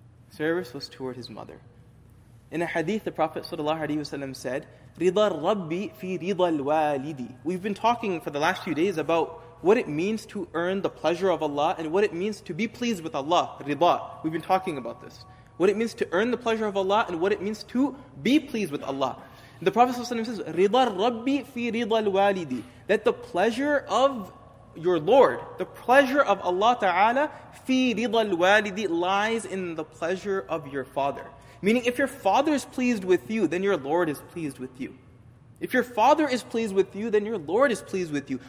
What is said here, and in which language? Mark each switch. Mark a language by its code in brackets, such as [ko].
[en] Service was toward his mother. In a hadith, the Prophet Sallallahu Alaihi Wasallam said, [ar] رِضَى الرَّبِّ فِي رِضَى الْوَالِدِ. [en] We've been talking for the last few days about what it means to earn the pleasure of Allah and what it means to be pleased with Allah. Rida. We've been talking about this. What it means to earn the pleasure of Allah and what it means to be pleased with Allah. [ar] The Prophet ﷺ says, رِضَى الرَّبِّ فِي رِضَى الْوَالِدِ. [en] That the pleasure of your Lord, the pleasure of Allah Ta'ala, [ar] فِي رِضَى الْوَالِدِ, [en] lies in the pleasure of your father. Meaning, if your father is pleased with you, then your Lord is pleased with you. If your father is pleased with you, then your Lord is pleased with you.